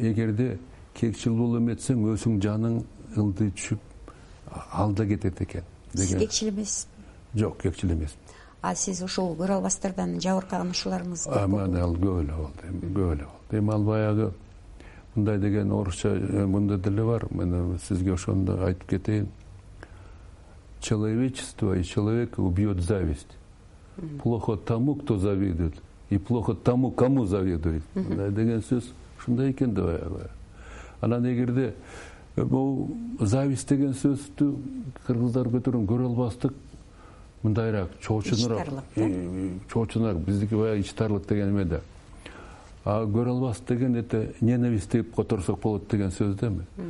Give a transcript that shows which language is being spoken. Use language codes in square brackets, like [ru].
[ky] Эгерде кекчил боло эметсең өзүң жаның ылдый түшүп алда кетет экен деген. Сиз кекчил эмессиз? Жок, кекчил эмесмин. А сиз ошол көрө албастардан жабыркаганышуларыңыз көп болду. Мен ал көп эле болду, көп эле болду. Эми ал баягы мындай деген орусча мындай деле бар, мен сизге ошондо айтып кетейин. [ru] Человечество и человек убьет зависть. Плохо тому, кто завидует, и плохо тому, кому завидует. [ky] Мындай деген сөз ушундай экен да баягы. Анан эгерде бул зависть деген сөздү кыргыздар көтөрүп көрө албастык мындайыраак чоочунураак чоочунураак биздики баягы ичтарлык деген эме да. А көрө албас деген [ru] это ненависть [ky] деп которсок болот деген сөз да эми.